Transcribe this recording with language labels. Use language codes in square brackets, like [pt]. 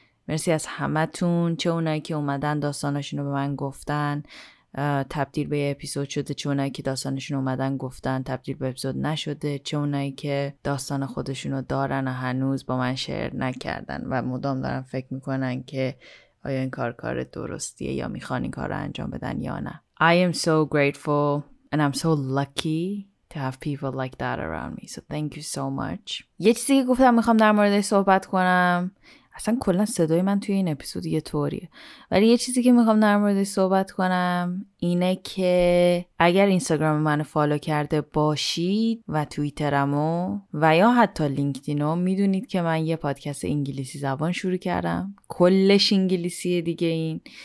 [fa] مرسی از همه تون، چه اونایی که اومدن داستانشون رو به من گفتن تبدیل به اپیزود شده، چه اونایی که داستانشون اومدن گفتن تبدیل به اپیزود نشده، چه اونایی که داستان خودشون رو دارن و هنوز با من شیر نکردن و مدام دارن فکر میکنن که آیا این کار درستیه یا میخوان این کار رو انجام بدن یا نه. [en] I am so grateful and I'm so lucky to have people like that around me. So thank you so much. [fa] یه چیزی که گفتم میخوام در مورد صحبت کنم، اصلا کلا صدای من توی این اپیزود یه طوریه، ولی یه چیزی که میخوام در موردش صحبت کنم اینه که اگر اینستاگرام منو فالو کرده باشید و توییترمو و یا حتی لینکدینو، میدونید که من یه پادکست انگلیسی زبان شروع کردم، کلش انگلیسیه دیگه.